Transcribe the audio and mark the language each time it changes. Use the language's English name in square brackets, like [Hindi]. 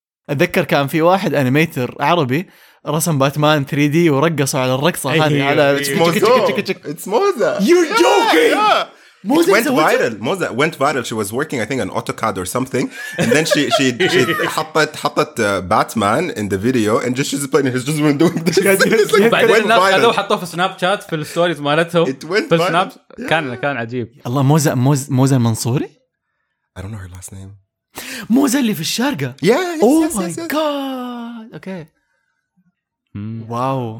[Arabic] أتذكر كان في واحد أنيميتر عربي رسم باتمان 3D ورقصوا على الرقصة هذه على [English] It went viral. Moza went viral. She was working, I think, on AutoCAD or something, and then she [Arabic] حطت [English] Batman in the video, and just she's playing. He's just been doing this. It went viral. [Arabic] Snapchat في الستوريز مالتهم. [English] It went viral. [Arabic] كان عجيب. الله موزة المنصوري. [English] I don't know her last name. [Arabic] موزة اللي في الشارقة. [English] Yeah. Oh my God. Okay. Wow